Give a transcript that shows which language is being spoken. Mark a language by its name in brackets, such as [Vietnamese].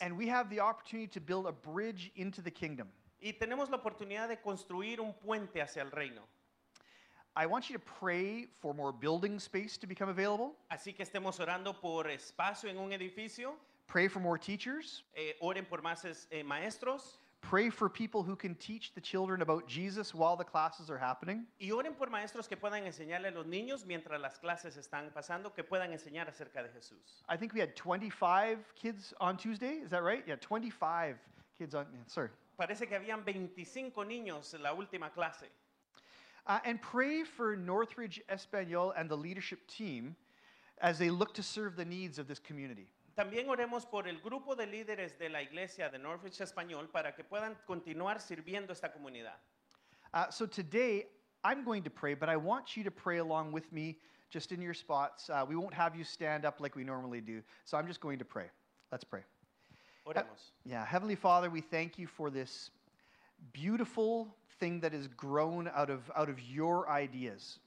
[English] And we have the opportunity to build a bridge into the kingdom. [Spanish] Y tenemos la oportunidad de construir un puente hacia el reino. [English] I want you to pray for more building space to become available. [Spanish] Así que estemos orando por espacio en un edificio. [English] Pray for more teachers. [Spanish] Oren por más maestros. [English] Pray for people who can teach the children about Jesus while the classes are happening. [Spanish] Y oren por maestros que puedan enseñarle a los niños mientras las clases están pasando, que puedan enseñar acerca de Jesús. [English] I think we had 25 kids on Tuesday. Is that right? Yeah, 25 kids on... Sorry. [Spanish] Parece que habían 25 niños en la última clase. [English] And pray for Northridge Español and the leadership team as they look to serve the needs of this community. [Spanish] También oremos por el grupo de líderes de la iglesia de Northridge Español para que puedan continuar sirviendo esta comunidad. [English] So today, I'm going to pray, but I want you to pray along with me just in your spots. We won't have you stand up like we normally do, so I'm just going to pray. Let's pray. [Spanish] Oremos. [English] Heavenly Father, we thank you for this beautiful thing that has grown out of your ideas.